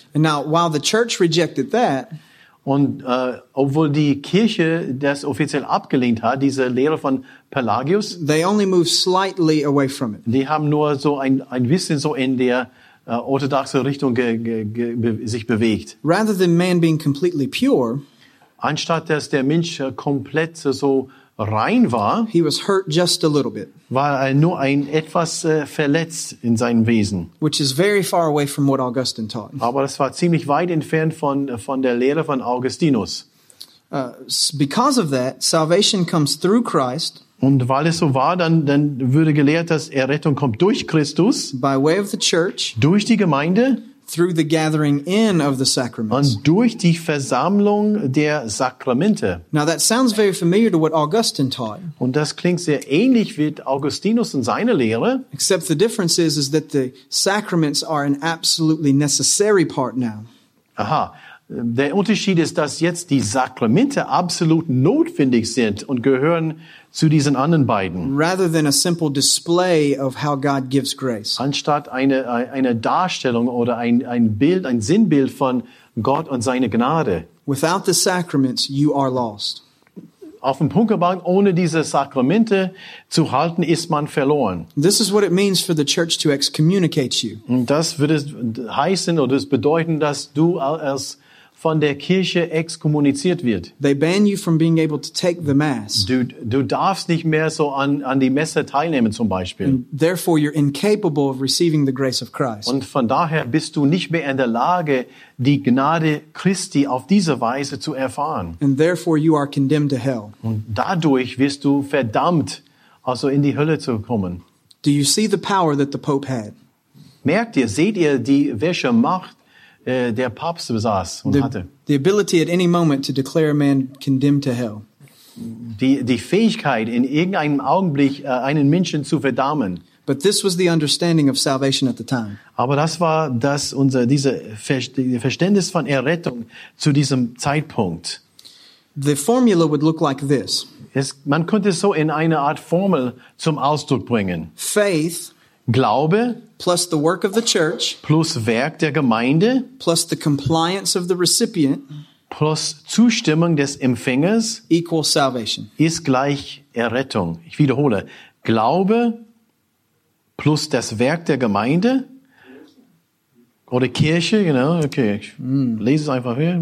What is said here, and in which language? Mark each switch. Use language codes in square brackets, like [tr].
[en] And now, while the church rejected that, [de] und obwohl die Kirche das offiziell abgelehnt hat, diese Lehre von Pelagius, [en] they only moved slightly away from it. [de] Die haben nur so ein bisschen so in der orthodoxe Richtung sich bewegt. [en] Rather than man being completely pure, [de] anstatt dass der Mensch komplett so rein war, [en] he was hurt just a little bit. [de] War er nur ein etwas verletzt in seinem Wesen. [en] Which is very far away from what Augustine taught. [de] Aber das war ziemlich weit entfernt von der Lehre von Augustinus. [en] Because of that, salvation comes through Christ. [de] Und weil es so war, dann würde gelehrt, dass Errettung kommt durch Christus. [en] By way of the church. [de] Durch die Gemeinde. [en] Through the gathering in of the sacraments. [de] Und durch die Versammlung der Sakramente. [en] Now that sounds very familiar to what Augustine taught. [de] Und das klingt sehr ähnlich wie Augustinus und seine Lehre. [en] Except the difference is that the sacraments are an absolutely necessary part now. Aha. [de] Der Unterschied ist, dass jetzt die Sakramente absolut notwendig sind und gehören zu diesen anderen beiden. [en] Rather than a simple display of how God gives grace. [de] Anstatt eine Darstellung oder ein Bild, ein Sinnbild von Gott und seine Gnade. [en] Without the sacraments, you are lost. [de] Auf dem Punkt gebracht, ohne diese Sakramente zu halten, ist man verloren. [en] This is what it means for the church to excommunicate you. [de] Und das würde heißen oder es bedeuten, dass du als von der Kirche exkommuniziert wird. [en] They ban you from being able to take the mass. [de] Du darfst nicht mehr so an die Messe teilnehmen zum Beispiel. [en] Therefore you're incapable of receiving the grace of Christ. [de] Und von daher bist du nicht mehr in der Lage, die Gnade Christi auf diese Weise zu erfahren. [en] And therefore you are condemned to hell. [de] Und dadurch wirst du verdammt, also in die Hölle zu kommen. [en] Do you see the power that the Pope had? [de] Merkt ihr, seht ihr die welche Macht der Papst besaß und hatte. [en] The ability at any moment to declare a man condemned to hell. [de] Die Fähigkeit in irgendeinem Augenblick einen Menschen zu verdammen. [en] But this was the understanding of salvation at the time. [de] Aber das war das unser diese Verständnis von Errettung zu diesem Zeitpunkt. [en] The formula would look like this. [de] Man könnte es so in eine Art Formel zum Ausdruck bringen. [en] Faith. [de] Glaube [en] plus the work of the church [de] plus Werk der Gemeinde [en] plus the compliance of the recipient [de] plus Zustimmung des Empfängers [en] equals salvation [de] ist gleich Errettung. Ich wiederhole: Glaube plus das Werk der Gemeinde oder Kirche, [en] you know, okay, [de] lese es einfach hier.